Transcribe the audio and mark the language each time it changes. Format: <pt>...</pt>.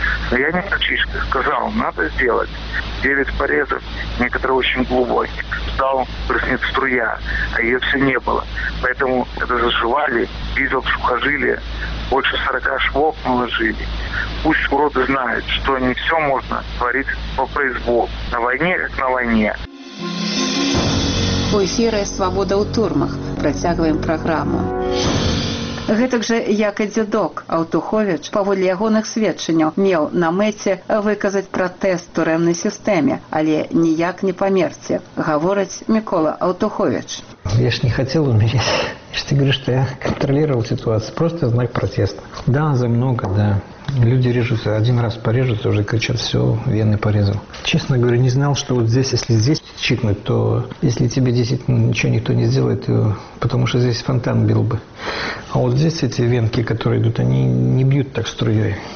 <ru>Но я не мальчишка, сказал, надо сделать. 9 порезов, некоторые очень глубокие. Стал проснуться струя, а ее все не было. Поэтому, когда заживали, видел сухожилие, больше 40 швов наложили. Пусть уроды знают, что не все можно творить по произволу. На войне, как на войне.</ru> <be>У эфіры «Свабода ў турмах». Працягваем праграму. Гэтак жа, як і дзядок Аўтуховіч, паводле ягоных сведчанняў, меў на мэце выказаць пратэст турэмнай сістэме, але ніяк не памерці, гаворыць Мікола Аўтуховіч. Я ж не хацеў умереть. Ты говорю, што я кантраліраў сітуацыю. Просто знак пратэста. Да, за многа, да.</be> <ru>Люди режутся, один раз порежутся, уже кричат, все, вены порезал. Честно говоря, не знал, что вот здесь, если здесь чикнуть, то если тебе 10, ну, ничего никто не сделает, потому что здесь фонтан бил бы. А вот здесь эти венки, которые идут, они не бьют так струей.</ru>